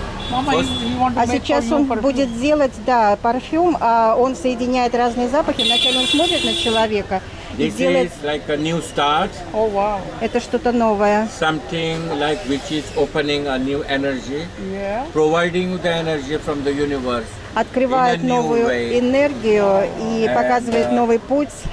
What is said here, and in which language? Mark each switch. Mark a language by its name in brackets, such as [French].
[Russian] А сейчас он будет делать, да, парфюм, а он соединяет разные запахи. Вначале он смотрит на человека и делает. [English] This is like a new start. Oh wow. [Russian] Это что-то новое. [English] Something like which is opening a new energy. Yeah. Providing the energy from the universe. [Russian] Открывает новую энергию и показывает новый путь.